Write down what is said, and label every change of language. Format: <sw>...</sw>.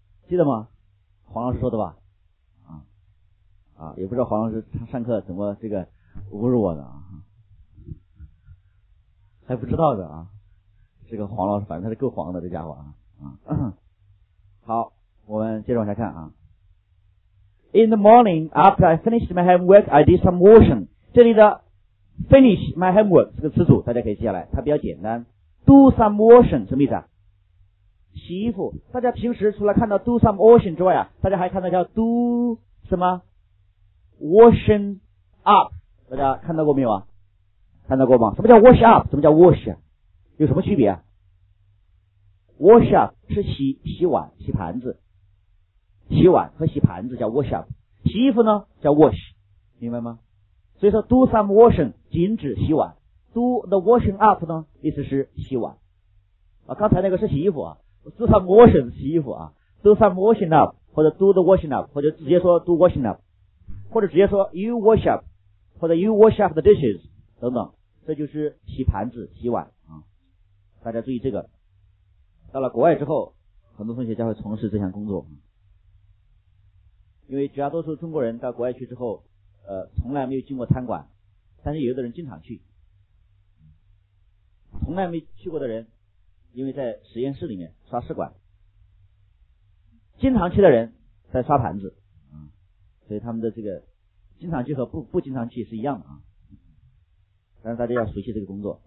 <zh>记得吗？黄老师说的吧。也不知道黄老师他上课怎么这个侮辱我的啊，还不知道的啊。这个黄老师反正他是够黄的这家伙啊。好，我们接着往下看啊。</zh> <en>In the morning, after I finished my homework, I did some washing.</en> <zh>这里的</zh> <en>finish my homework</en> <zh>这个词组大家可以记下来，它比较简单。</zh> <en>Do some washing</en> <zh>什么意思啊？洗衣服。大家平时除了看到</zh> <en>do some washing</en> <zh>之外啊，大家还看到叫 do 什么？</zh> <en>washing up，</en> <zh>大家看到过没有啊？看到过吗？什么叫</zh> <en>wash up？</en> <zh>什么叫 wash？有什么区别啊 ？</zh> <en>wash up</en> <zh>是洗碗、洗盘子，洗碗和洗盘子叫 wash up， 洗衣服呢叫 wash， 明白吗？所以说</zh> <en>do some washing</en> <zh>仅指洗碗 ，</zh> <en>do the washing up</en> <zh>呢意思是洗碗。啊，刚才那个是洗衣服啊 ，</zh> <en>do some washing</en> <zh>洗衣服啊 ，</zh> <en>do some washing up</en> <zh>或者</zh> <en>do the washing up</en> <zh>或者直接说</zh> <en>do washing up。</en> <zh>或者直接说</zh> <en>you wash up</en> <zh>或者</zh> <en>you wash up the dishes</en> <zh>等等，这就是洗盘子洗碗啊。大家注意这个，到了国外之后很多同学将会从事这项工作，因为绝大多数中国人到国外去之后从来没有进过餐馆，但是有的人经常去，从来没去过的人因为在实验室里面刷试管，经常去的人在刷盘子，所以他们的这个经常去和不经常去是一样的啊，但是大家要熟悉这个工作。</zh>